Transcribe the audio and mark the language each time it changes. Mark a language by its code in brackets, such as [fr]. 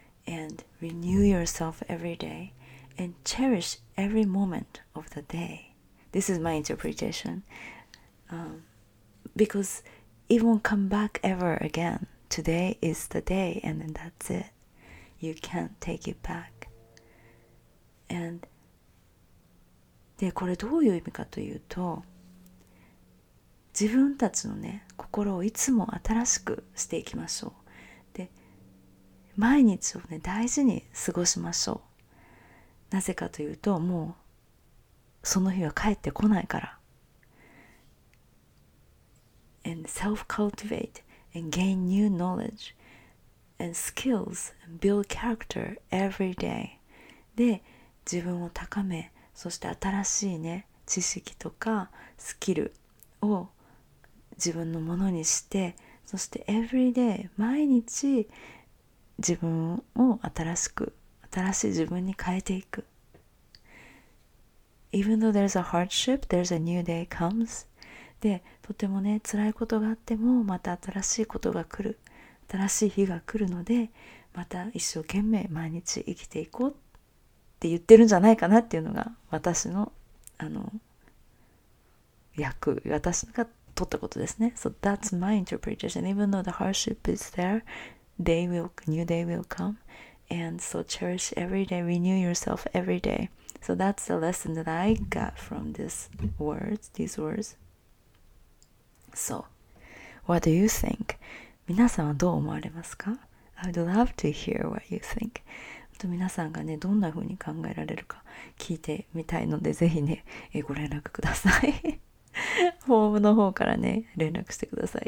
[en] And renew yourself every day and cherish every moment of the day. This is my interpretation. Because it won't come back ever again. Today is the day and then that's it. You can't take it back. [ja] And で、これどういう意味かというと、自分たちのね、心をいつも新しくしていきましょう。毎日をね、大事に過ごしましょう。なぜかというと、もうその日は帰ってこないから。 [en] And self-cultivate and gain new knowledge and skills and build character every day. [ja] で、自分を高め、そして新しいね、知識とかスキルを自分のものにして、そして every day、毎日自分を新しい自分に変えていく。 [en] Even though there's a hardship, there's a new day comes. [ja] で、とてもね、辛いことがあっても、また新しいことが来る、新しい日が来るので、また一生懸命毎日生きていこうって言ってるんじゃないかなっていうのが、私の私が取ったことですね。 [en] So that's my interpretation. Even though the hardship is thereNew day will come. And so cherish every day. Renew yourself every day. So that's the lesson that I got from these words. So, what do you think? [ja] 皆さんはどう思われますか? [en] I would love to hear what you think. [ja] あと皆さんがね、どんな風に考えられるか聞いてみたいので、ぜひね、ご連絡ください。フォームの方からね、連絡してください。